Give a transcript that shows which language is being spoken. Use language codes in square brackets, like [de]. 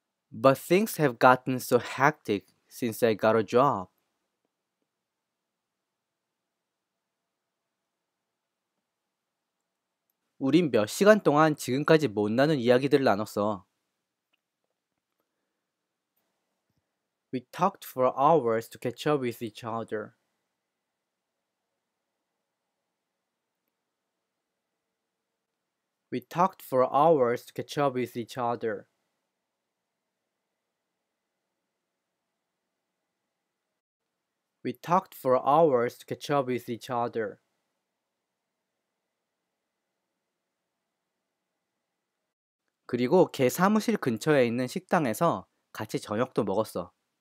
[en] But things have gotten so hectic since I got a job. [ko] 우린 몇 시간 동안 지금까지 못 나눈 이야기들을 나눴어. [en] We talked for hours to catch up with each other. We talked for hours to catch up with each other. We talked for hours to catch up with each other. [ko] 그리고 걔 사무실 근처에 있는 식당에서 같이 저녁도 먹었어.